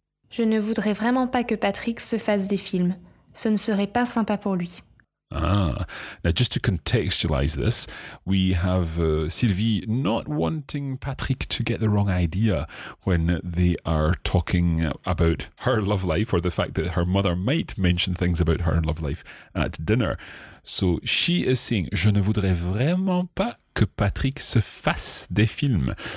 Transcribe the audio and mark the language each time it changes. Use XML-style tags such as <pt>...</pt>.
<fr>Je ne voudrais vraiment pas que Patrick se fasse des films. Ce ne serait pas sympa pour lui.</fr> <en>Ah, now just to contextualize this, we have Sylvie not wanting Patrick to get the wrong idea when they are talking about her love life or the fact that her mother might mention things about her love life at dinner. So she is saying,</en> <fr>je ne voudrais vraiment pas que Patrick se fasse des films.</fr>